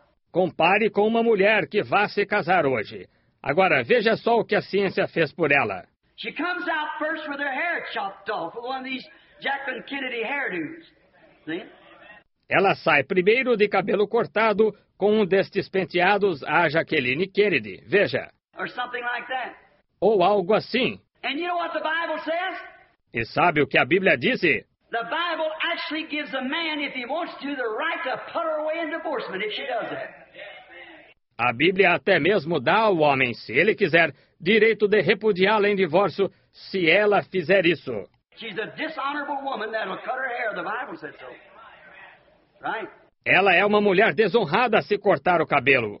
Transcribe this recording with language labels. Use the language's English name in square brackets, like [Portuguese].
[Portuguese] Compare com uma mulher que vá se casar hoje. Agora veja só o que a ciência fez por ela. [English] She comes out first with her hair chopped off, one of these Jacqueline Kennedy hairdos. [Portuguese] Ela sai primeiro de cabelo cortado com um destes penteados à Jacqueline Kennedy. Veja. [English] Or something like that. [Portuguese] Ou algo assim. [English] And you know what the Bible says? [Portuguese] E sabe o que a Bíblia diz? [English] The Bible actually gives a man, if he wants to, the right to put her away in divorcement if she does it. [Portuguese] A Bíblia até mesmo dá ao homem, se ele quiser, direito de repudiá-la em divórcio, se ela fizer isso. [English] She's a dishonorable woman that'll cut her hair, the Bible said so. Right? [Portuguese] Ela é uma mulher desonrada se cortar o cabelo.